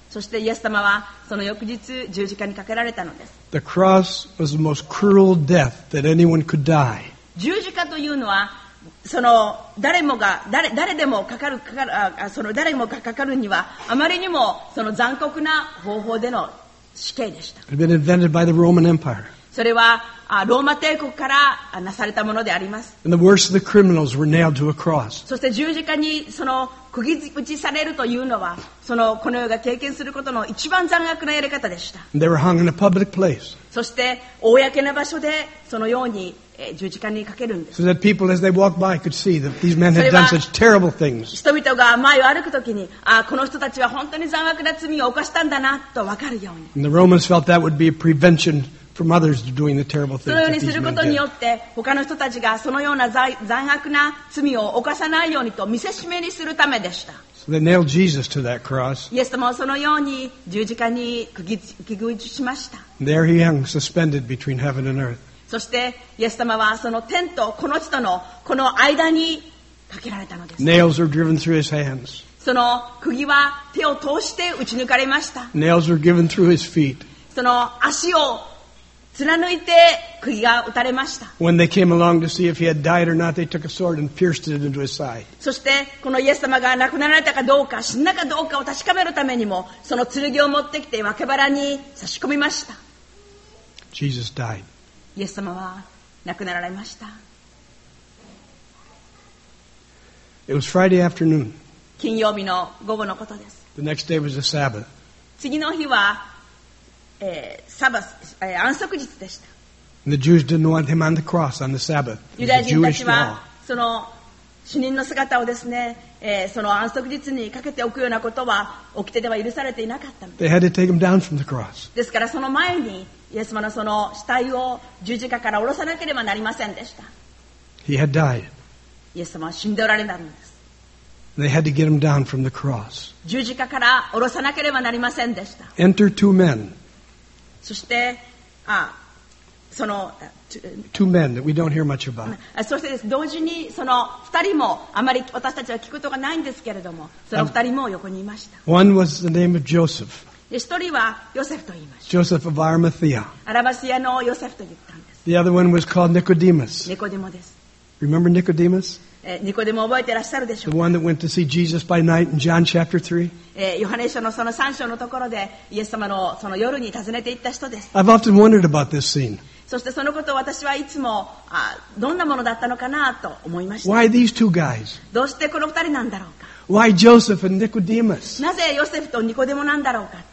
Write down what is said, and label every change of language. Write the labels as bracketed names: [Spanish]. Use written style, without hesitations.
[Japanese] そしてイエス様はその翌日十字架にかけられたのです。 [English] The cross was the most cruel death that anyone could die. [Japanese] 十字架というのはその誰もが 誰でもかかるその誰もがかかるにはあまりにもその残酷な方法での死刑でした。 [English] It had been invented by the Roman Empire. [Japanese] それはローマ帝国からなされたものであります。 [English] And the worst of the criminals were nailed to a cross. [Japanese] そして十字架にその釘打ちされるというのはそのこの世が経験することの一番残悪なやり方でした。 [English] They were hung in a public place. [Japanese] そして公な場所でそのように十字架にかけるんです。 [English] So that people as they walked by could see that these men had done such terrible things. [Japanese] 人々が前を歩くときに、この人たちは本当に残悪な罪を犯したんだなと分かるように。 [English] And the Romans felt that would be a prevention from others doing the terrible things. [Japanese] そのようにすることによって、他の人たちがそのような残悪な罪を犯さないようにと見せしめにするためでした。 [English] So they nailed Jesus to that cross. [Japanese] イエス様はそのように十字架に釘打ちしました。 [English] There he hung suspended between heaven and earth. [Japanese] そしてイエス様はその天とこの人のこの間にかけられたのです。 [English] Nails were driven through his hands. [Japanese] その釘は手を通して打ち抜かれました。 [English] Nails were given through his feet. [Japanese] その足を貫いて釘が打たれました。 [English] When they came along to see if he had died or not, they took a sword and pierced it into his side. [Japanese] そしてこのイエス様が亡くなられたかどうか死んだかどうかを確かめるためにもその剣を持ってきて脇腹に差し込みました。 [English] Jesus died. [Japanese] イエス様は亡くなられました。 [English] It was Friday afternoon. [Japanese] 金曜日の午後のことです。 [English] The next day was the Sabbath. [Japanese] 次の日はサバス安息日でした。 [English] The Jews didn't want him on the cross on the Sabbath. [Japanese] ユダヤ人たちはその死人の姿をですね、その安息日にかけておくようなことは掟では許されていなかった。 [English] They had to take him down from the cross. [Japanese] ですからその前にイエス様のその死体を十字架から下ろさなければなりませんでした。 [English] He had died. [Japanese] イエス様は死んでおられたんです。 [English] They had to get him down from the cross. [Japanese] 十字架から下ろさなければなりませんでした。 [English] Enter two men. [Japanese] そしてその [English] two men that we don't hear much about. [Japanese] そしてです同時にその二人もあまり私たちは聞くことがないんですけれどもその二人も横にいました。 [English] One was the name of Joseph. [Japanese] 一人はヨセフと言いました。 [English] Joseph of Arimathea. [Japanese] アラマスヤのヨセフと言ったんです。 [English] The other one was called Nicodemus. [Japanese] ニコデモです。 [English] Remember Nicodemus? [Japanese] ニコデモ覚えてらっしゃるでしょうか。 [English] The one that went to see Jesus by night in John chapter 3. [Japanese] ヨハネ書のその3章のところでイエス様のその夜に訪ねていった人です。 [English] I've often wondered about this scene. [Japanese] そしてそのことを私はいつもどんなものだったのかなと思いました。 [English] Why these two guys? [Japanese] どうしてこの二人なんだろうか。 [English] Why Joseph and Nicodemus? [Japanese] なぜヨセフとニコデモなんだろうか。